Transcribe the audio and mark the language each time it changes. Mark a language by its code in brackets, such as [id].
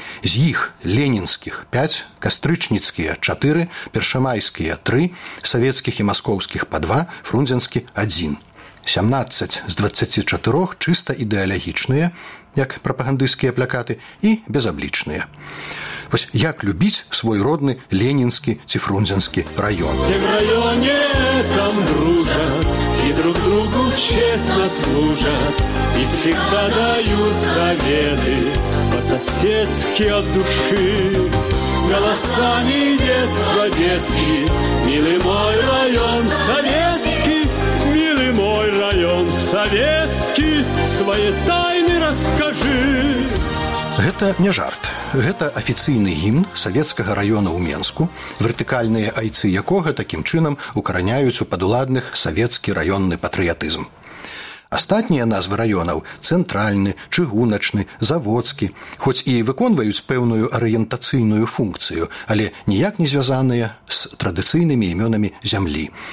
[be] З іх ленінскіх 5, кастрычніцкія 4, першамайскія 3, савецкіх і маскоўскіх па 2, фрунзенскі 1. 17 з 24 чыста ідэалагічныя, як прапагандысцкія плакаты, і безаблічныя. Вось як любіць свой родны ленінскі ці фрунзенскі раён. У гэтым раёне там дружа. [ru] Друг другу честно служат И всегда дают советы По-соседски от души Голосами детства детски Милый мой район советский Милый мой район советский Свои тайны расскажи [be] Гэта не жарт. Гэта афіцыйны гімн савецкага раёна ў Менску, вертыкальныя айцы якога такім чынам укараняюць у падуладных савецкі раённы патрыятызм. Астатнія назвы раёнаў – цэнтральны, чыгуначны, заводскі, хоць і выконваюць пэўную арыентацыйную функцыю, але ніяк не звязаныя з традыцыйнымі імёнамі зямлі.